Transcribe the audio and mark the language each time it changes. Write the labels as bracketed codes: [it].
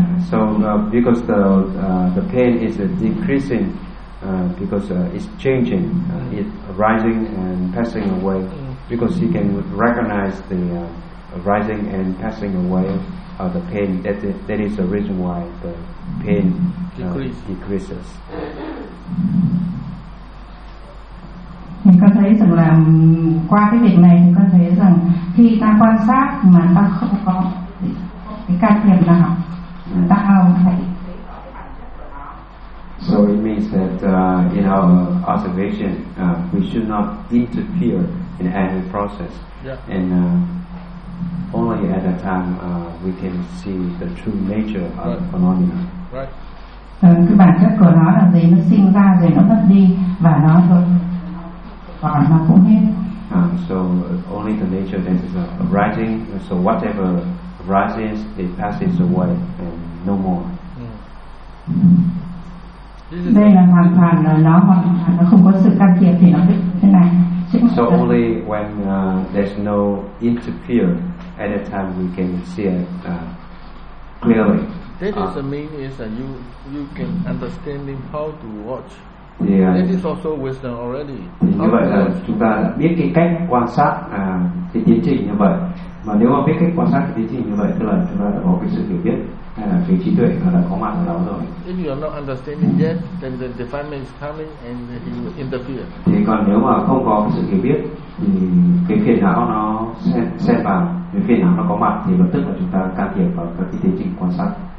[en] So because the pain is decreasing, because it's changing, it rising and passing away. Because he can recognize the rising and passing away of the pain. That is the reason why the pain decreases. [vi] Thì con thấy rằng là qua cái việc này thì con thấy rằng khi ta quan sát mà ta không có cái can thiệp nào, ta không thấy. [en] So it means that in our observation we should not interfere in any process. Yeah. And only at that time we can see the true nature of the phenomena. Right. [vi] Cái bản chất của nó là gì, nó sinh ra rồi nó mất đi và nó thôi. [en] So only the nature of this is arising. So whatever arises, it passes away and no more. [vi] Đây là hoàn toàn nó không có sự can thiệp thì nó biết thế này. [en] So only when there's no interfere at that time we can see it clearly. That is the meaning is that you can understanding how to watch. Yeah. It is also wisdom already. [vi] Như vậy là chúng ta biết cái cách quan sát cái tiến trình như vậy. Mà nếu mà biết cách quan sát cái tiến trình như vậy, tức là chúng ta đã có cái sự hiểu biết hay là cái trí tuệ nó đã có mặt ở đó rồi. [en] If you are not understanding yet, then the defilement is coming and it will interfere. [vi] Thì còn nếu mà không có cái sự hiểu biết thì cái phiền não nó xen vào, cái phiền não nó có mặt thì lập tức là chúng ta can thiệp vào cái tiến trình quan sát.